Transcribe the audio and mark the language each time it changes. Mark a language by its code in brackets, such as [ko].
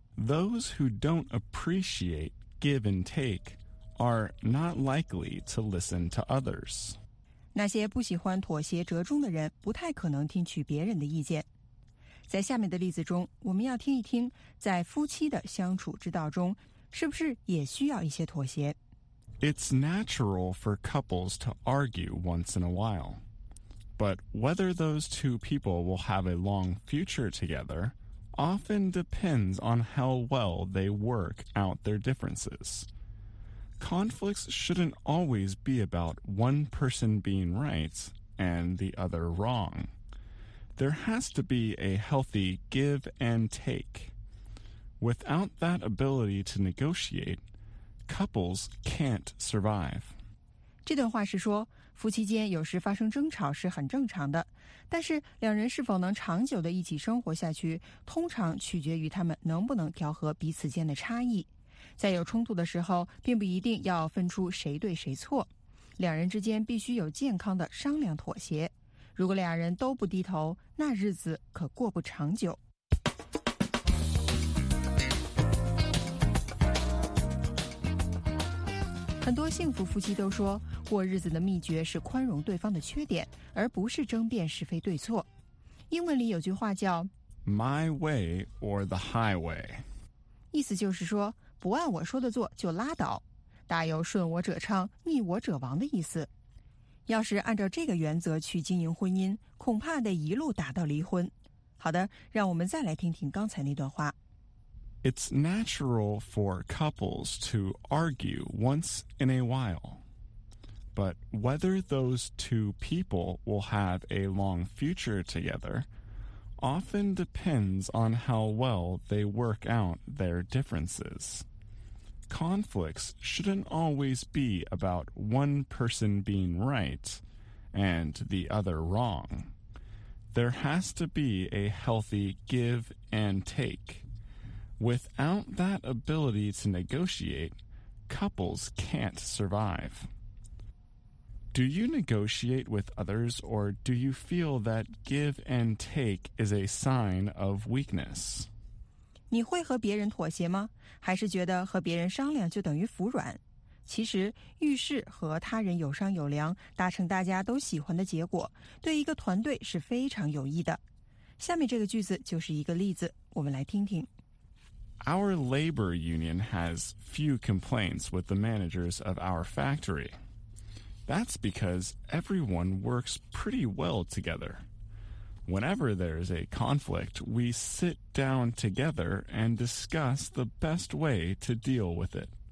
[en] Those who don't appreciate give and take are not likely to listen to others. [zh] 那些不喜欢妥协折中的人不太可能听取别人的意见在下面的例子中我们要听一听在夫妻的相处之道中是不是也需要一些妥协 [en] It's natural for couples to argue once in a while. But whether those two people will have a long future together often depends on how well they work out their differences. Conflicts shouldn't always be about one person being right and the other wrong. There has to be a healthy give and take. Without that ability to negotiate, couples can't survive. [zh] 这段话是说，夫妻间有时发生争吵是很正常的，但是两人是否能长久地一起生活下去，通常取决于他们能不能调和彼此间的差异。在有冲突的时候，并不一定要分出谁对谁错，两人之间必须有健康的商量妥协。如果两人都不低头，那日子可过不长久。很多幸福夫妻都说，过日子的秘诀是宽容对方的缺点，而不是争辩是非对错。英文里有句话叫 [en] My way or the highway， [zh] 意思就是说不按我说的做就拉倒，大有顺我者昌逆我者亡的意思。要是按照这个原则去经营婚姻，恐怕得一路打到离婚。好的，让我们再来听听刚才那段话。 [en] It's natural for couples to argue once in a while. But whether those two people will have a long future together often depends on how well they work out their differences. Conflicts shouldn't always be about one person being right and the other wrong. There has to be a healthy give and take. Without that ability to negotiate, couples can't survive. Do you negotiate with others, or do you feel that give and take is a sign of weakness? [zh] 你会和别人妥协吗？还是觉得和别人商量就等于服软？其实，遇事和他人有商有量，达成大家都喜欢的结果，对一个团队是非常有益的。下面这个句子就是一个例子，我们来听听。 [en] Our labor union has few complaints with the managers of our factory. That's because everyone works pretty well together. Whenever there's a conflict, we sit down together and discuss the best way to deal with it.